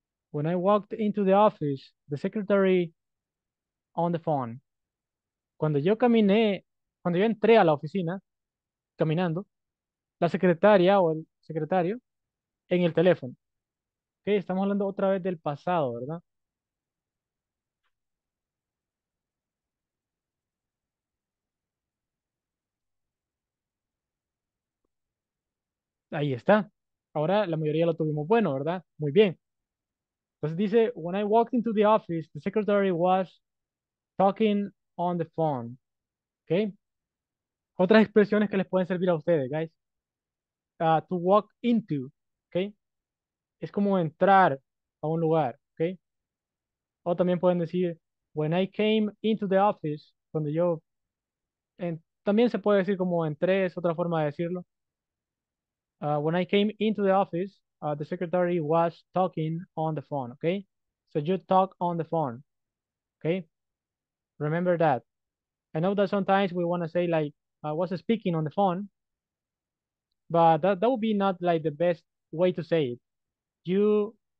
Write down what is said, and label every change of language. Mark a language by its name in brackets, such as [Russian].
[English] When I walked into the office, the secretary on the phone. [Spanish] Cuando yo caminé, cuando yo entré a la oficina, caminando, la secretaria o el secretario en el teléfono. Ok, estamos hablando otra vez del pasado, ¿verdad? Ahí está. Ahora la mayoría lo tuvimos bueno, ¿verdad? Muy bien. Entonces dice, [English] when I walked into the office, the secretary was talking on the phone. [Spanish] ¿Ok? Otras expresiones que les pueden servir a ustedes, guys. [English] To walk into. [Spanish] ¿Ok? Es como entrar a un lugar. ¿Ok? O también pueden decir, [English] when I came into the office, [Spanish] cuando yo... también se puede decir como entré, es otra forma de decirlo. [English] When I came into the office, the secretary was talking on the phone, okay? So you talk on the phone, okay? Remember that. I know that sometimes we want to say like, I was speaking on the phone, but that would be not like the best way to say it.